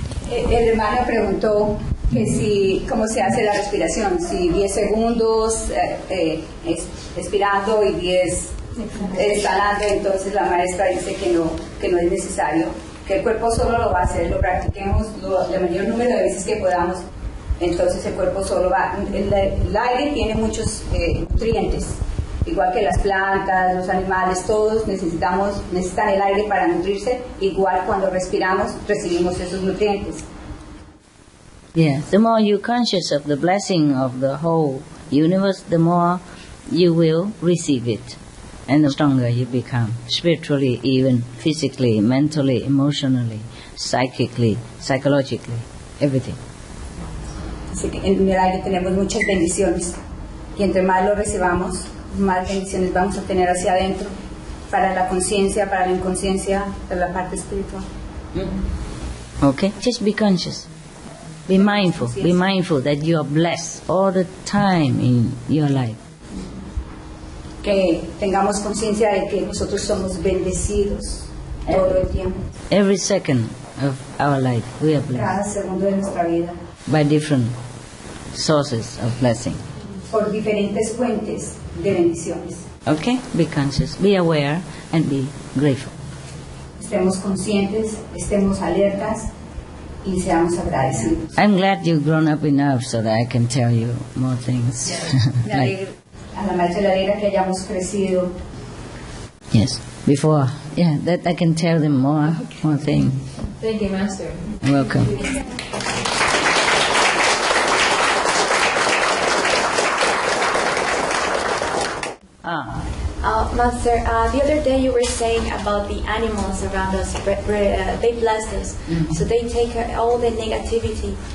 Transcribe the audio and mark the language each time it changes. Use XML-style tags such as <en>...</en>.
<es>El hermano preguntó que si, cómo se hace la respiración, si 10 segundos expirando y 10 exhalando, entonces la maestra dice que no es necesario, que el cuerpo solo lo va a hacer, lo practiquemos el mayor número de veces que podamos. Entonces el cuerpo solo va, el aire tiene muchos nutrientes, igual que las plantas, los animales, todos necesitan el aire para nutrirse, igual cuando respiramos, recibimos esos nutrientes.</es> <en>Yes, the more you're conscious of the blessing of the whole universe, the more you will receive it, and the stronger you become, spiritually, even physically, mentally, emotionally, psychically, psychologically, everything.</en> <es>Así que en el aire tenemos muchas bendiciones y entre más lo recibamos, más bendiciones vamos a tener hacia adentro para la conciencia, para la inconsciencia, para la parte espiritual.</es> <en>Okay, just be conscious, be mindful, be mindful that you are blessed all the time in your life.</en> <es>Que tengamos conciencia de que nosotros somos bendecidos todo el tiempo.</es> <en>Every second of our life, we are blessed.</en> <es>Cada segundo de nuestra vida.</es> <en>By different sources of blessing.</en> <es>Por diferentes fuentes de bendiciones.</es> <en>Okay, be conscious, be aware, and be grateful.</en> <es>Estemos conscientes, estemos alertas, y seamos agradecidos.</es> <en>I'm glad you've grown up enough so that I can tell you more things.</en> <es>A la maestra le alegra que hayamos crecido.</es> <en>Yes, before, yeah, that I can tell them more, okay. More things. Thank you, Master. You're welcome. Master, the other day you were saying about the animals around us, they bless us, so they take all the negativity.</en>